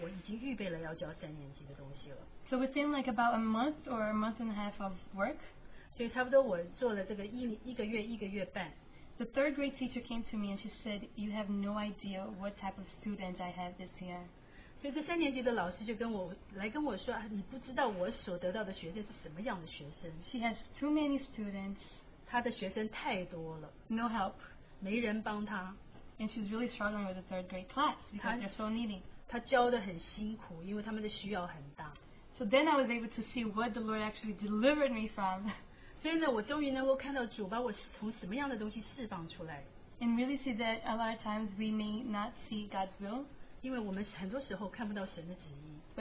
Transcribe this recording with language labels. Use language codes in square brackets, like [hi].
[zh] 所以我开始了这一年我实际上很开心。虽然我要的是三年级,是因为我已经预备了要教三年级的东西了。So [en] within like about a month or a month and a half of work, [zh] 所以差不多我做了这个一个月半, [en] the third grade teacher came to me and she said, you have no idea what type of students I have this year. [zh] 所以这三年级的老师就跟我来跟我说, 啊, 你不知道我所得到的学生是什么样的学生。 [en] She has too many students. [zh] 她的学生太多了。 [en] No help. [zh] 没人帮她。 [en] And she's really struggling with the third grade class because they're so needy. [zh] 她教得很辛苦, 因为他们的需要很大。 [en] So then I was able to see what the Lord actually delivered me from. [zh] 所以呢, 我终于能够看到主把我从什么样的东西释放出来。 [en] And really see that a lot of times we may not see God's will. [zh] 因为我们很多时候看不到神的旨意,